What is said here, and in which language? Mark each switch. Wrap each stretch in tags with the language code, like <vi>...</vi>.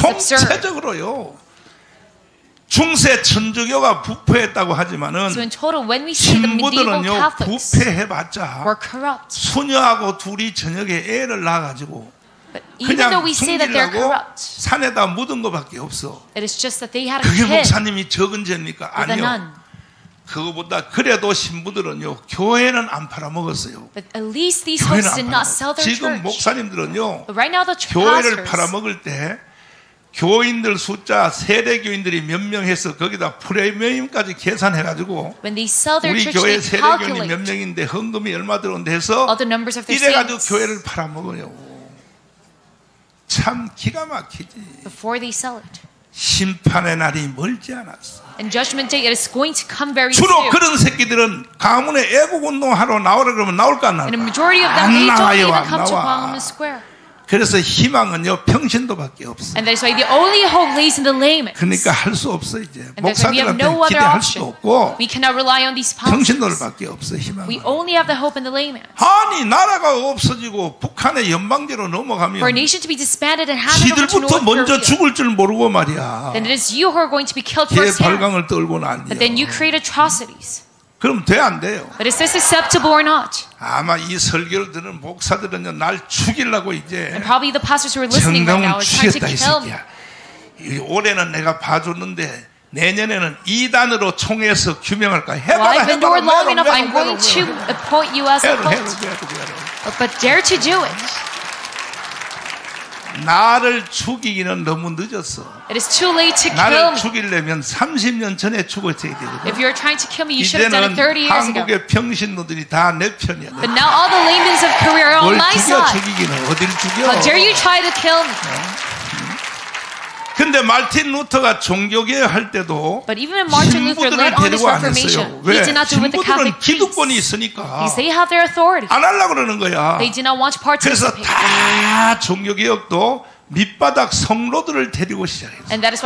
<ko>총체적으로요 중세 천주교가 부패했다고 하지만은</ko> <en>so in total, when we see</en> <ko>신부들은요</ko> <en>the medieval Catholics</en> <ko>부패해봤자</ko> <en>were corrupt.</en> <ko>수녀하고 둘이 저녁에 애를 낳아가지고</ko> <en>But even though we say that they're corrupt,</en> <ko>산에다 묻은 것밖에 없어.</ko> <en>It is just that they had a kid.</en> <ko>그게 목사님이 적은 죄입니까? 아니요. 그거보다 그래도 신부들은요 교회는 안 팔아먹었어요.</ko> <en>But at least these hosts did not sell their church.</en> <ko>지금 목사님들은요</ko> <en>But right now the pastors,</en> <ko>교회를 팔아먹을 때 교인들 숫자 세대 교인들이 몇 명 해서 거기다 프리미엄까지 계산해가지고</ko> <en>When they sell their</en> <ko>우리</ko> <en>church,</en> <ko>교회 세대 교인이 몇 명인데 헌금이 얼마 들어온데 해서 이래가지고 교회를 팔아먹어요. 참 기가 막히지.</ko> <en>Before they sell it.</en> <ko>심판의 날이 멀지 않았어.</ko> <en>And judgment day, it is going to come very soon.</en> <ko>주로 그런 새끼들은 가문의 애국운동하러 나오라 그러면 나올까 안 나올까?</ko> <en>And a majority of them, they don't even come to Parliament Square.</en> <ko>그래서 희망은요 평신도밖에 없어.</ko> <en>And that is why the only hope lays in the layman.</en> <ko>그러니까 할 수 없어 이제. 목사들한테 기대할 수 없고.</ko> <en>We cannot rely on these pastors.</en> <ko>평신도밖에 없어 희망.</ko> <en>We only have the hope in the layman.</en> <ko>아니 나라가 없어지고 북한의 연방제로 넘어가면.</ko> <en>For a nation to be disbanded and handed over to North Korea.</en> <ko>먼저 죽을 줄 모르고 말이야.</ko> <en>Then it is you who are going to be killed firsthand.</en> <ko>제 발광을 떨고 난리야.</ko> <en>But then you create atrocities.</en> <ko>그럼 돼 안 돼요?</ko> <en>But is this acceptable or not?</en> <ko>아마 이 설교를 듣는 목사들은요 날 죽이려고 이제</ko> <en>And probably the pastors who are listening right now are trying to kill me.</en> <ko>올해는 내가 봐줬는데 내년에는 이단으로 총회에서 규명할까? 해봐라 해봐라</ko> <en>Well, I've endured long enough. I'm going to appoint you as a cult. But dare to do it.</en> <ko>나를 죽이기는 너무 늦었어.</ko> <en>It is too late to kill me.</en> <ko>나를 죽이려면 30년 전에 죽었어야 되거든.</ko> <en>If you're trying to kill me, you should have done it 30 years ago.</en> <ko>이제는 한국의 평신도들이 다 내 편이야.</ko> <en>But now all the laymen of Korea are on my side.</en> <ko>뭘 죽여 죽이기는 어딜 죽여?</ko> <en>How dare you try to kill me?</en> <ko>근데 마틴 루터가 종교개혁 할 때도 신부들을 데리고 안 했어요. 왜? 신부들은 기득권이 있으니까 안 하려고 그러는 거야. 그래서 다 종교개혁도 밑바닥 성로들을 데리고 시작했어요.</ko>